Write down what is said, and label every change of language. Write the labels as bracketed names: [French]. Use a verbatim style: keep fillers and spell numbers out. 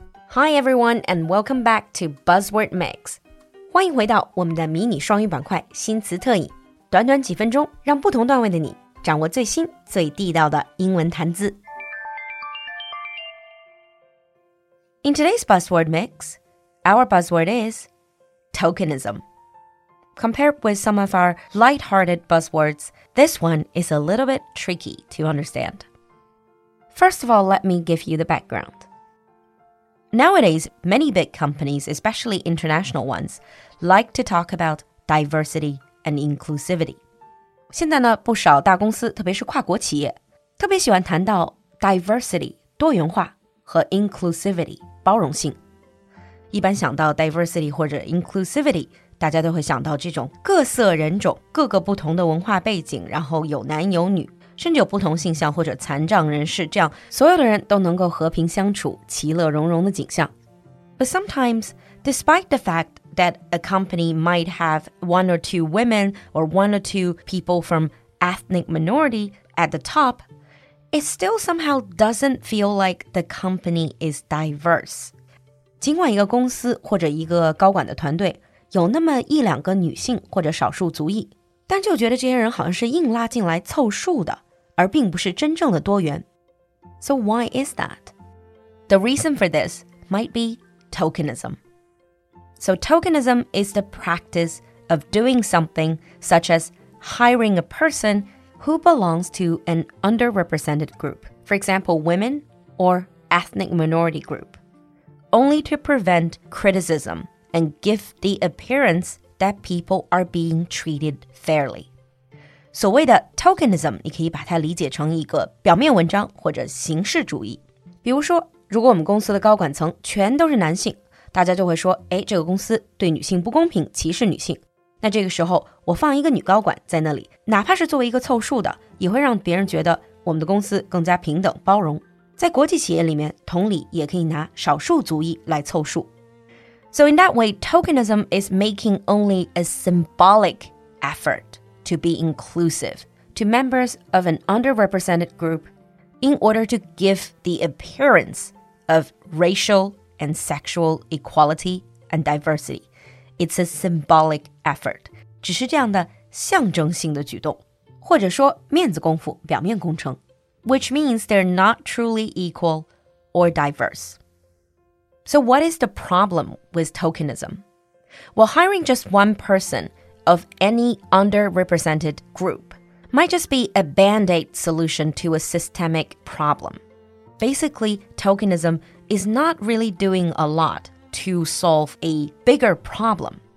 [English] Hi everyone and welcome back to Buzzword Mix. [Chinese] 欢迎回到我们的迷你双语板块新词特饮。短短几分钟，让不同段位的你掌握最新最地道的英文谈资。 [English] In today's Buzzword Mix, our buzzword is tokenism. Compared with some of our light-hearted buzzwords, this one is a little bit tricky to understand. First of all, let me give you the background. Nowadays, many big companies, especially international ones, like to talk about diversity and inclusivity. [Chinese] 现在呢，不少大公司，特别是跨国企业，特别喜欢谈到 diversity, 多元化和 inclusivity, 包容性。一般想到 diversity 或者 inclusivity, 大家都会想到这种各色人种、各个不同的文化背景，然后有男有女。甚至有不同性向或者残障人士，这样所有的人都能够和平相处，其乐融融的景象。 [English] But sometimes, despite the fact that a company might have one or two women or one or two people from ethnic minority at the top, it still somehow doesn't feel like the company is diverse. [Chinese] 尽管一个公司或者一个高管的团队有那么一两个女性或者少数族裔，但就觉得这些人好像是硬拉进来凑数的，而并不是真正的多元。 [English] So why is that? The reason for this might be tokenism. So tokenism is the practice of doing something such as hiring a person who belongs to an underrepresented group, for example, women or ethnic minority group, only to prevent criticism and give the appearance that people are being treated fairly. [Chinese] 所谓的 tokenism, 你可以把它理解成一个表面文章或者形式主义。比如说，如果我们公司的高管层全都是男性，大家就会说，诶，这个公司对女性不公平，歧视女性。那这个时候，我放一个女高管在那里，哪怕是作为一个凑数的，也会让别人觉得我们的公司更加平等包容。在国际企业里面，同理也可以拿少数族裔来凑数。 [English] So in that way, tokenism is making only a symbolic effort to be inclusive to members of an underrepresented group in order to give the appearance of racial and sexual equality and diversity. It's a symbolic effort. [Chinese] 只是这样的象征性的举动，或者说面子功夫，表面工程， [English] which means they're not truly equal or diverse. So what is the problem with tokenism? Well, hiring just one person of any underrepresented group might just be a band-aid solution to a systemic problem. Basically, tokenism is not really doing a lot to solve a bigger problem.